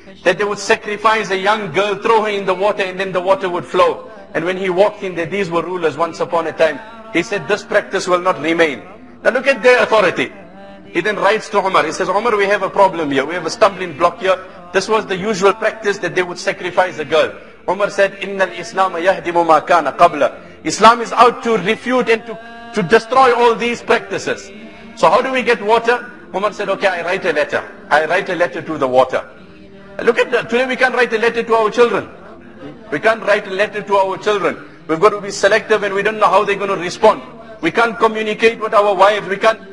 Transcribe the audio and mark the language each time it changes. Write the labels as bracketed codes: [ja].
[en] That they would sacrifice a young girl, throw her in the water, and then the water would flow. And when he walked in there, these were rulers once upon a time. He said, this practice will not remain. Now look at their authority. He then writes to Umar. He says, Umar, we have a problem here. We have a stumbling block here. This was the usual practice that they would sacrifice a girl. Umar said, [ar] إِنَّ الْإِسْلَامَ يَهْدِمُ مَا كَانَ قَبْلَ. [en] Islam is out to refute and to destroy all these practices. So how do we get water? Umar said, okay, I write a letter to the water. Look at that. Today we can't write a letter to our children. We can't write a letter to our children. We've got to be selective and we don't know how they're going to respond. We can't communicate with our wives. We can't